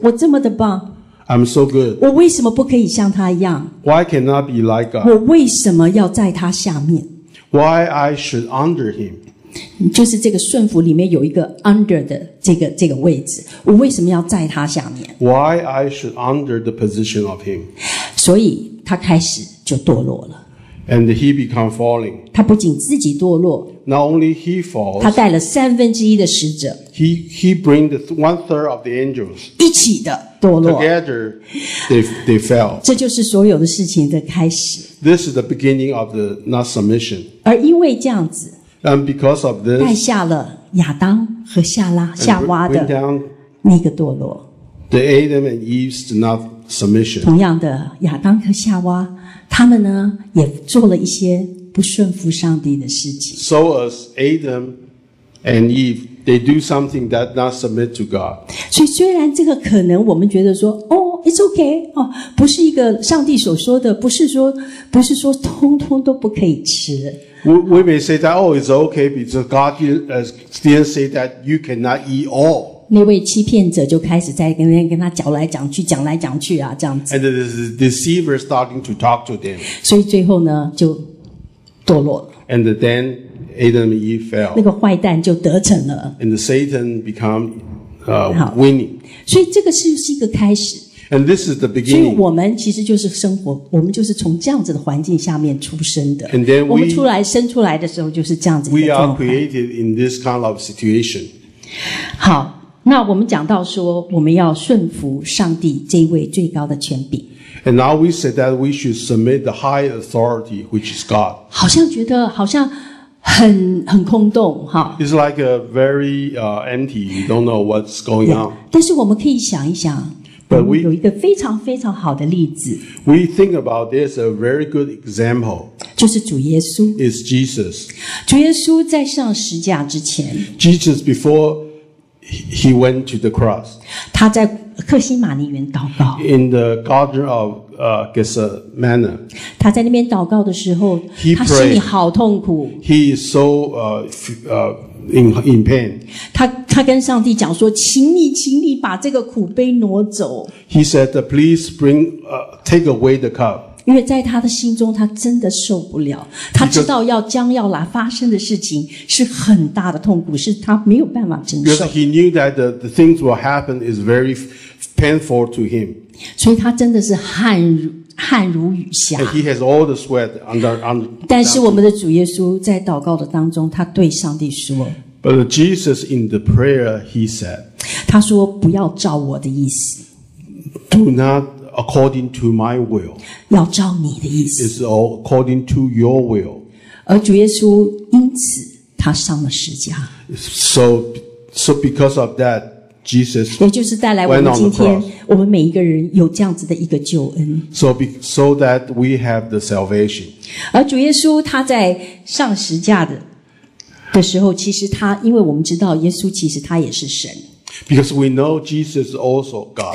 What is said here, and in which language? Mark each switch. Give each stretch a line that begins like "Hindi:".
Chinese: 我这么的棒。
English: I'm so good.
Chinese: 我为什么不可以像他一样
English: ？Why cannot be like God?
Chinese: 我为什么要在他下面？
English: Why I should under him?
Chinese: 就是这个顺服里面有一个 under 的这个位置，我为什么要在他下面
English: ？Why I should under the position of him?
Chinese: 所以他开始就堕落了。
English: And he become falling.
Chinese: 他不仅自己堕落
English: ，Not only he falls.
Chinese: 他带了三分之一的使者。
English: He bring the one third of the angels.
Chinese: 一起的堕落。
English: Together, they fell.
Chinese: 这就是所有的事情的开始。
English: This is the beginning of the not submission.
Chinese: 而因为这样子
English: and because of this,
Chinese: 带下了亚当和夏拉夏娃的那个堕落。
English: The Adam and Eve's not submission.
Chinese: 同样的，亚当和夏娃，他们呢也做了一些不顺服上帝的事情。
English: So as Adam and Eve, they do something that not submit to God.
Chinese: 所以虽然这个可能我们觉得说，哦 ，
English: it's okay，
Chinese: 哦，不是一个上帝所说的，不是说通通都不可以吃。
English: We may say that, oh, it's okay because God didn't say that you cannot eat all.
Chinese: 那位欺骗者就开始在跟他讲来讲去啊，这样子。
English: And the deceiver starting to talk to them.
Chinese: 所以最后呢，就堕落了。
English: And then Adam and Eve fell.
Chinese: 那个坏蛋就得逞了。
English: And Satan become winning.
Chinese: 所以这个是一个开始。
English: And this is the beginning.
Chinese: 所以我们其实就是生活，我们就是从这样子的环境下面出生的。
English: And then
Chinese: 我们生出来的时候就是这样子的状态。
English: We are created in this kind of situation.
Chinese: 好。那我们讲到说，我们要顺服上帝这位最高的权柄。
English: And now we said that we should submit the high authority, which is God.
Chinese: 好像觉得好像很空洞哈。
English: It's like a very empty. You don't know what's going on.
Chinese: 但是我们可以想一想，
English: But we,
Chinese: 我们有一个非常非常好的例子。
English: We think about this a very good example.
Chinese: 就是主耶稣。
English: Is Jesus.
Chinese: 主耶稣在上十字架之前。
English: Jesus before. He went to the cross.
Chinese: 他在克西马尼园祷告。
English: In the Garden of Gethsemane.
Chinese: 他在那边祷告的时候，他心里好痛苦。
English: He is so in pain.
Chinese: 他跟上帝讲说，请你把这个苦杯挪走。
English: He said, "Please bring take away the cup."
Chinese: 因为在他的心中，他真的受不了。他知道将要来发生的事情是很大的痛苦，是他没有办法承受。
English: Because he knew that the things will happen is very painful to him.
Chinese: 所以他真的是汗如雨下。
English: And he has all the sweat under.
Chinese: 但是我们的主耶稣在祷告的当中，他对上帝说。
English: But Jesus in the prayer he said.
Chinese: 他说不要照我的意思。
English: Do not. According to my will,
Chinese: 要照你的意思。
English: It's all according to your will.
Chinese: 而主耶稣因此他上了十字架。
English: So because of that, Jesus went on the cross.
Chinese: 也就是带来我们今天我们每一个人有这样子的一个救恩。
English: So that we have the salvation.
Chinese: 而主耶稣他在上十字架的时候，其实他因为我们知道耶稣其实他也是神。
English: Because we know Jesus is also God.